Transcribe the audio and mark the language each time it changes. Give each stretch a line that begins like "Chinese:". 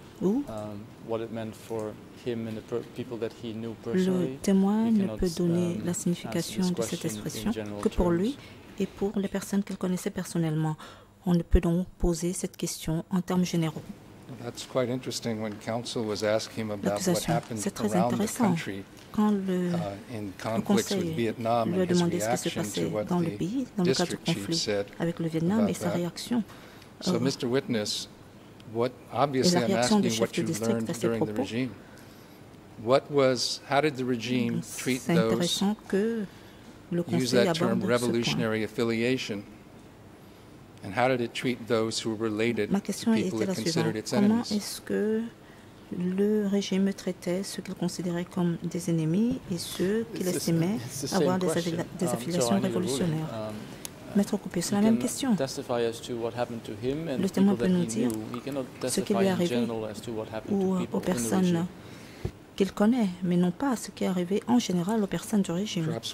English: to, what it meant for him and the people that he knew personally.
French: Le témoin ne peut donner la signification de cette expression que pour lui et pour les personnes qu'il connaissait personnellement. On ne peut donc poser cette question en termes généraux.
English: That's quite interesting when counsel was asking him about what happened around the country.
French: Quand le conseil lui a demandé ce qui se passait dans le pays, dans le cadre du conflit avec le Vietnam et sa réaction.
English: So, Mr. Witness, what, obviously I'm asking what you learned during the regime. What was, how did the regime treat those, use that term revolutionary affiliation, and how did it treat those who were related to people it considered its enemies?
French: Le régime traitait ceux qu'il considérait comme des ennemis et ceux qu'il estimait avoir des affiliations révolutionnaires. Maître Coupé, c'est la même question. Le témoin peut nous dire ce qui lui est arrivé ou aux personnes qu'il connaît, mais non pas ce qui est arrivé en général aux personnes du régime.